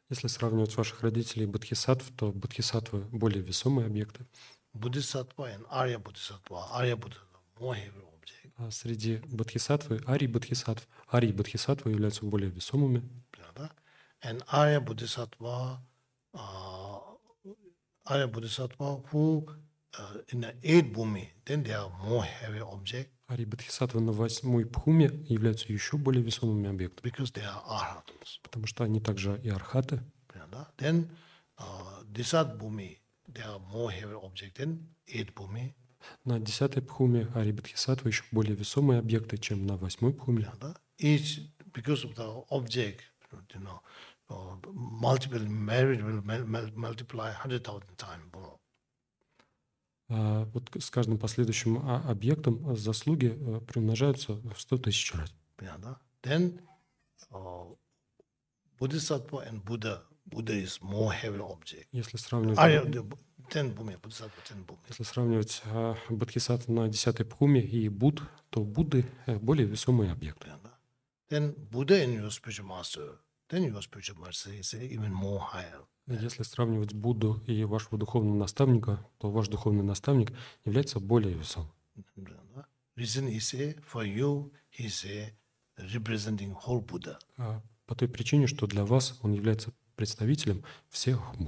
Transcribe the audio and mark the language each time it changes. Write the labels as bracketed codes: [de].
[ru] Если сравнивать ваших родителей и бодхисаттв, то бодхисаттвы более весомые объекты. [en] Bodhisattva and Arya bodhisattva, Arya bodhisattva more heavy object. [ru] А среди бодхисаттвы, Арии бодхисаттвы являются более весомыми. [en] Yeah, да? And Arya bodhisattva, Arya bodhisattva who in the eight bhumi, then they are more heavy object. [ru] Арии бодхисаттвы на восьмой бхуме являются еще более весомыми объектами. [en] Because they are arhats. [ru] Потому что они также и архаты. [en] Yeah, да? Then десят бхуми, they are more heavy object than eight bhumi. [ru] На десятой бхуме арии бодхисаттвы еще более весомые объекты, чем на восьмой бхуме. [en] Yeah, да? Each because of the object, you know, multiple merit will multiply 100,000 times more. [ru] Вот с каждым последующим объектом заслуги приумножаются в 100 тысяч раз. [en] Yeah, да? Then bodhisattva and Buddha, Buddha is more heavy object. [ru] Если сравнивать, если сравнивать бодхисаттв на десятой пхуме и Будд, то Будды более весомые объекты. [en] Yeah, да? Then Buddha and your spiritual master, then your spiritual master is even more higher. [ru] Если сравнивать Будду и вашего духовного наставника, то ваш духовный наставник является более весомым. По той причине, что для вас он является представителем всех